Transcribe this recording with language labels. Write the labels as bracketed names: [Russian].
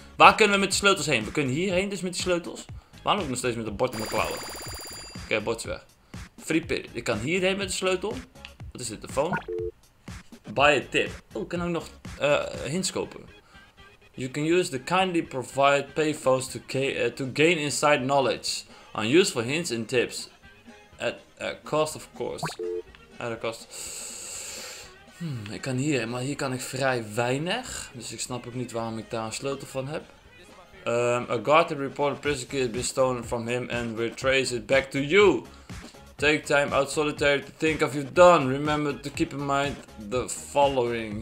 [Dutch] Waar kunnen we met de sleutels heen? We kunnen hierheen dus met de sleutels. Waarom ook nog steeds met een bord in mijn klauwen? Oké, bord is weg. [English] Free pit. [Dutch] Ik kan hierheen met de sleutel. Wat is dit? De phone? [English] Buy a tip. [Dutch] Oh, ik kan ook nog hints kopen. [English] You can use the kindly provided payphones to gain inside knowledge on useful hints and tips. At a cost, of course. At a cost. [Dutch] Ik kan hier, maar hier kan ik vrij weinig. Dus ik snap ook niet waarom ik daar een sleutel van heb. [English] A guard had reported prison key has been stolen from him and we trace it back to you. Take time out solitary to think of you've done. Remember to keep in mind the following.